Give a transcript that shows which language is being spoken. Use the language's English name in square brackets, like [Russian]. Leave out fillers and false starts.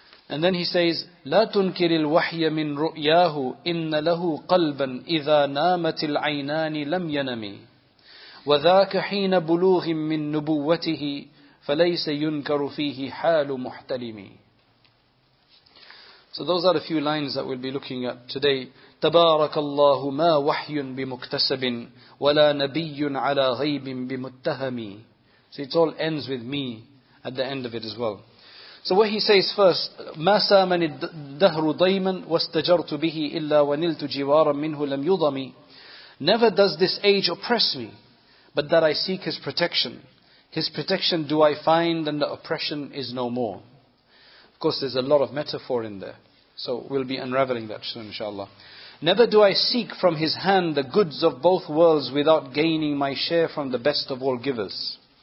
[English] And then he says, [Arabic] لا تنكر الوحي من رؤياه إن له قلبا إذا نامت العينان لم ينمي وذاك حين بلوغ من نبوته فليس ينكر فيه حال محتلمي. [English] So those are a few lines that we'll be looking at today. [Arabic] تبارك الله ما وحي بمكتسب ولا نبي على غيب بمتهم. [English] So it all ends with me at the end of it as well. So what he says first, [Arabic] مَا سَامَنِ الدَّهْرُ ضَيْمًا وَاسْتَجَرْتُ بِهِ إِلَّا وَنِلْتُ جِوَارًا مِّنْهُ لَمْ يُضَمِي. [English] Never does this age oppress me, but that I seek his protection. His protection do I find, and the oppression is no more. Of course, there's a lot of metaphor in there. So we'll be unraveling that soon, inshallah. Never do I seek from his hand the goods of both worlds without gaining my share from the best of all givers.